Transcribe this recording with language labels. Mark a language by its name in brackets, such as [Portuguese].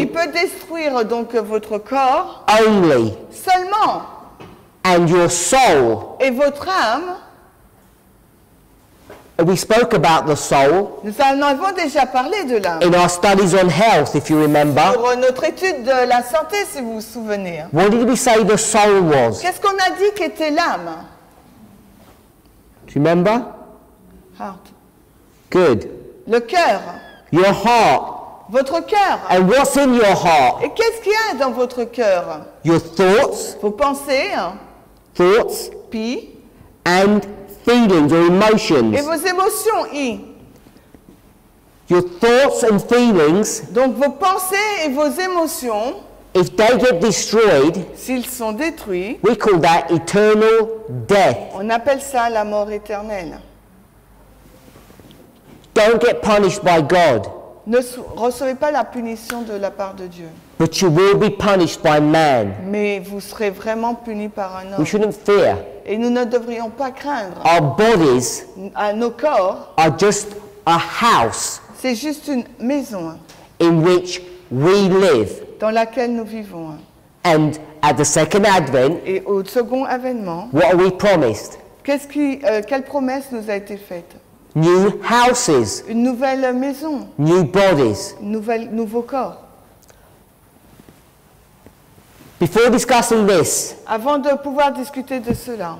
[French] Il peut détruire donc votre corps. [English] Only. [French] Seulement. [English] And your soul. [French] Et votre âme. [English] We spoke about the soul. [French] Nous en avons déjà parlé de l'âme. [English] In our studies on health, if you remember. [French] Pour notre étude de la santé, si vous vous souvenez. [English] What did we say the soul was? [French] Qu'est-ce qu'on a dit qu'était l'âme? [English] Do you remember? Heart. Good. [French] Le cœur. [English] Your heart. [French] Votre cœur. [English] And what's in your heart? [French] Et qu'est-ce qu'il y a dans votre cœur? [English] Your thoughts. [French] Vos pensées. [English] Thoughts. P. And feelings or emotions. [French] Et vos émotions, I. [English] Your thoughts and feelings. [French] Donc vos pensées et vos émotions. [English] If they get destroyed, [French] s'ils sont détruits, [English] we call that eternal death. [French] On appelle ça la mort éternelle. [English] Don't get punished by God. [French] Ne recevez pas la punition de la part de Dieu. [English] But you will be punished by man. [French] Mais vous serez vraiment puni par un homme. [English] We shouldn't fear. [French] Et nous ne devrions pas craindre. [English] Our bodies, [French] à nos corps, [English] are just a house. [French] C'est juste une maison. [English] In which we live. [French] Dans laquelle nous vivons. [English] And at the second advent, [French] et au second avènement, [English] what are we promised? [French] Quelle promesse nous a été faite? [English] New houses. [French] Une nouvelle maison. [English] New bodies. [French] Nouveaux corps. [English] Before discussing this, [French] avant de pouvoir discuter de cela,